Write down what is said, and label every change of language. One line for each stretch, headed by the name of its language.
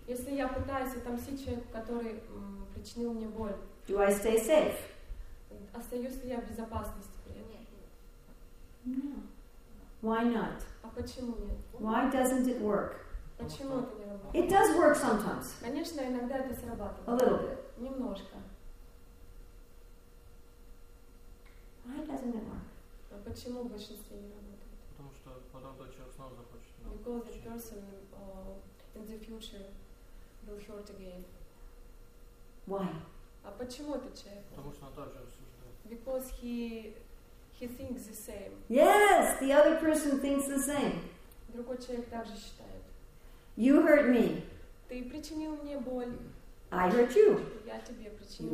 Russian: если я пытаюсь отомстить человеку, который причинил мне боль,
English: do I stay safe?
Russian: Остаюсь ли я в безопасности? Нет.
English: No. Why not?
Russian: А почему нет?
English: Why doesn't it work?
Russian: Почему это не работает?
English: It does work sometimes.
Russian: Конечно, иногда это срабатывает.
English: A little bit.
Russian: Немножко.
English: Why doesn't it work?
Russian: А почему в большинстве не работает? Потому что потом тот человек снова захочет.
English: Because the person in the future will hurt again. Why?
Russian: А почему этот человек? Потому что он также осуждает.
English: Because he thinks the same. Yes, the other person thinks the same.
Russian: Другой человек также считает.
English: You hurt me.
Russian: Ты причинил мне боль.
English: I hurt you.
Russian: Я тебе причинил.